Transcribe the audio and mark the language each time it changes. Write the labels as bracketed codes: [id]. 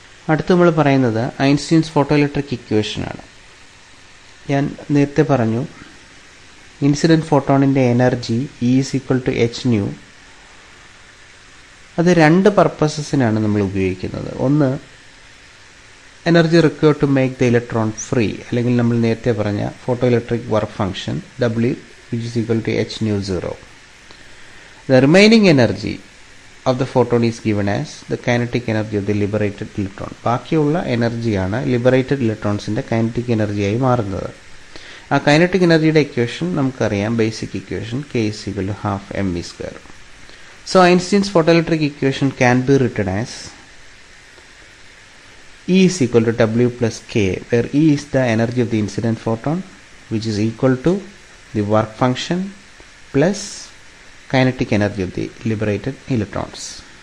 [ml] അടുത്ത് നമ്മൾ പറയുന്നത് ഐൻസ്റ്റീൻസ് ഫോട്ടോ ഇലക്ട്രിക് ഇക്വേഷനാണ്. ഞാൻ നേരത്തെ പറഞ്ഞു, incident ഫോട്ടോണിൻ്റെ energy [en] Is equal to H nu. [ml] അത് രണ്ട് പർപ്പസസിനാണ് നമ്മൾ ഉപയോഗിക്കുന്നത്. ഒന്ന്, [en] energy required to make the electron free, [ml] അല്ലെങ്കിൽ നമ്മൾ നേരത്തെ പറഞ്ഞ [en] photoelectric work function W which is equal to h nu 0. The remaining energy of the photon is given as the kinetic energy of the liberated electron. [ml] ബാക്കിയുള്ള എനർജിയാണ് liberated electronsന്റെ kinetic energy ആയി മാറുന്നത്. ആ kinetic energyയുടെ equation നമുക്കറിയാം, basic equation [en] k is equal to half mv square. So Einstein's photoelectric equation can be written as E is equal to W plus K, where E is the energy of the incident photon, which is equal to the work function plus kinetic energy of the liberated electrons.